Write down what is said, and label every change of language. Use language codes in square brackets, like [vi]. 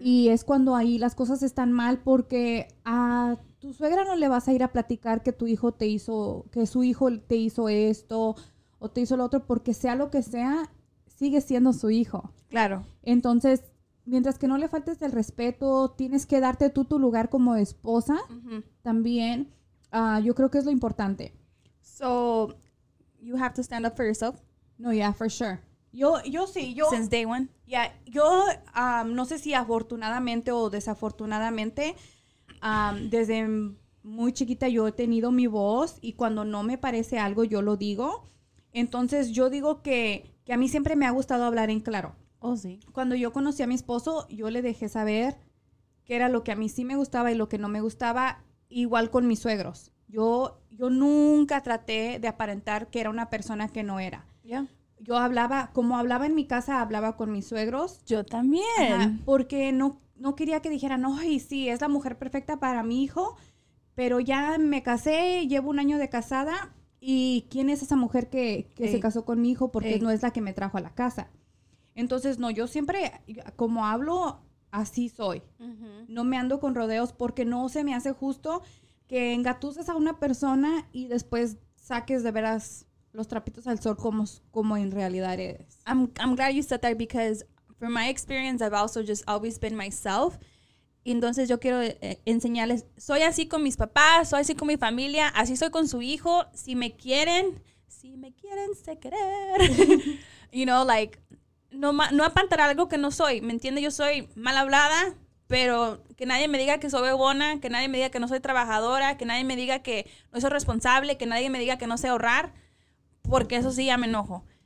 [es] y es cuando ahí las cosas están mal, porque a tu suegra no le vas a ir a platicar que su hijo te hizo esto o te hizo lo otro, porque sea lo que sea, sigue siendo su hijo. Claro. Entonces, mientras que no le faltes el respeto, tienes que darte tú tu lugar como esposa, uh-huh. también, yo creo que es lo importante. [en] So, you have to stand up for yourself? No, yeah, for sure. [es] Yo sí. [en] Since day one? [es] Yeah, yo no sé si afortunadamente o desafortunadamente, desde muy chiquita yo he tenido mi voz y cuando no me parece algo yo lo digo. Entonces yo digo que a mí siempre me ha gustado hablar en claro. Oh, sí. Cuando yo conocí a mi esposo, yo le dejé saber qué era lo que a mí sí me gustaba y lo que no me gustaba, igual con mis suegros. Yo nunca traté de aparentar que era una persona que no era. [en] Yeah. [es] Yo hablaba, como hablaba en mi casa, hablaba con mis suegros. Yo también. Porque no quería que dijeran, ay, sí, es la mujer perfecta para mi hijo, pero ya me casé, llevo un año de casada, y ¿quién es esa mujer que se casó con mi hijo? Porque no es la que me trajo a la casa. Entonces, no, yo siempre, como hablo, así soy. Uh-huh. No me ando con rodeos porque no se me hace justo que engatuses a una persona y después saques de veras los trapitos al sol como en realidad eres. [en] I'm glad you said that because from my experience, I've also just always been myself. [es] Entonces, yo quiero enseñarles, soy así con mis papás, soy así con mi familia, así soy con su hijo. Si me quieren, sé querer. [en] You know, like, [es] no apantar algo que no soy, ¿me entiende? Yo soy mal hablada, pero que nadie me diga que soy huevona, que nadie me diga que no soy trabajadora, que nadie me diga que no soy responsable, que nadie me diga que no sé ahorrar, porque eso sí ya me enojo.